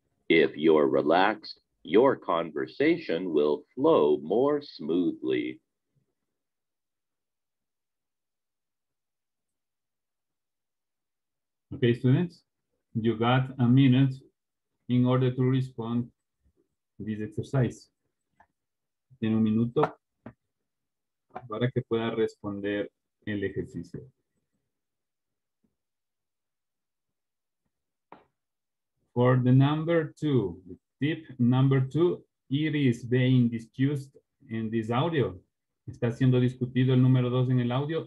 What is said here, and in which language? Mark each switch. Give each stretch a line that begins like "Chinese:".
English: If you're relaxed, your conversation will flow more smoothly. Okay, students, you got a minute in order to respond to this exercise.
Spanish: Tiene un minuto para que pueda responder el ejercicio.
English: For the number two, tip number two, it is being discussed in this audio.
Spanish: ¿Está siendo discutido el número dos en el audio?